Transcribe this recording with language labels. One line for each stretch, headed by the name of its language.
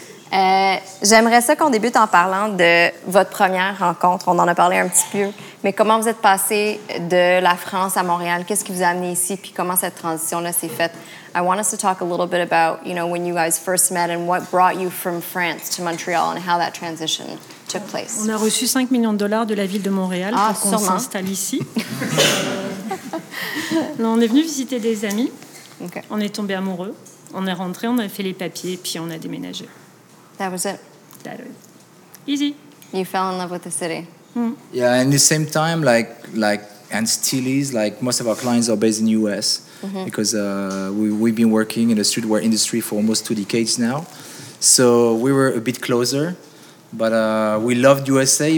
French: J'aimerais ça qu'on débute en parlant de votre première rencontre. On en a parlé un petit peu. Mais comment vous êtes passé de la France à Montréal? Qu'est-ce qui vous a amené ici? Puis comment cette transition-là s'est faite?
English: I want us to talk a little bit about, you know, when you guys first met and what brought you from France to Montreal and how that transition took place.
French: On a reçu 5 millions de dollars de la ville de Montréal pour qu'on s'installe ici. Non, on est venu visiter des amis.
English: Okay.
French: On est tombé amoureux. On est rentré, on a fait les papiers, puis on a déménagé.
English: That was it. That was easy. You fell in love with the city. Mm. Yeah, and at the same time, like and still is, like most of our clients are based in the US. Mm-hmm. Because we've been working in the streetwear industry for almost two decades now. So we were a bit closer. But we loved USA.